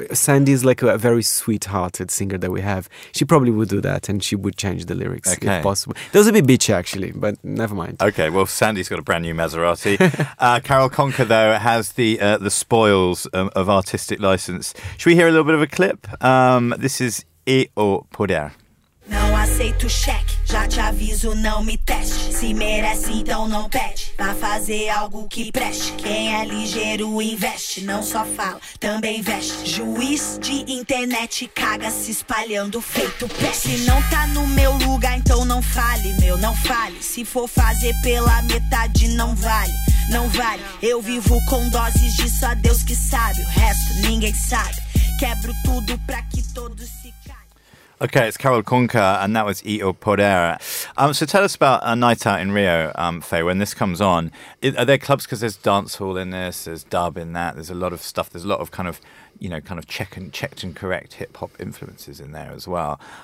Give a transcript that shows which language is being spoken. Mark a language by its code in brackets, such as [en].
[en] Sandy is like a very sweethearted singer that we have. She probably would do that and she would change the lyrics okay. if possible. That was a bit bitchy, actually, but never mind. Okay, well, Sandy's got a brand new Maserati. Carol Conker, though, has the spoils of artistic license. Should we hear a little bit of a clip? This is E o Poder. [pt] Não aceito cheque, já te aviso, não me teste. Se merece, então não pede. Vá fazer algo que preste. Quem é ligeiro investe. Não só fala, também veste. Juiz de internet caga se espalhando feito peste. Se não tá no meu lugar, então não fale, meu, não fale. Se for fazer pela metade, não vale, não vale. Eu vivo com doses disso, a Deus que sabe. O resto ninguém sabe. Quebro tudo pra que todos se... [en] Okay, it's Carol Conker, and that was E o Poder. So tell us about a night out in Rio, Faye, when this comes on. Are there clubs, because there's dance hall in this, there's dub in that, there's a lot of stuff, there's a lot of kind of, you know, kind of checked and correct hip-hop influences in there as well.